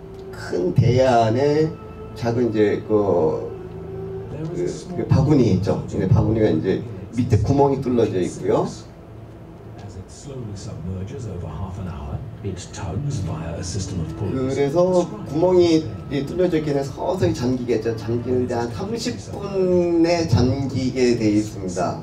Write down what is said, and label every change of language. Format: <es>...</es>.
<ko>큰 대야 안에 작은 이제 그 바구니 있죠. 이제 바구니가 이제 밑에 구멍이 뚫려져 있고요.</ko> <en>Over half an hour, it tugs via a system of pulleys.</en> <ko>그래서 구멍이 뚫려져 있기는 서서히 잠기겠죠. 잠기는데 한 30분에 잠기게 돼 있습니다.</ko>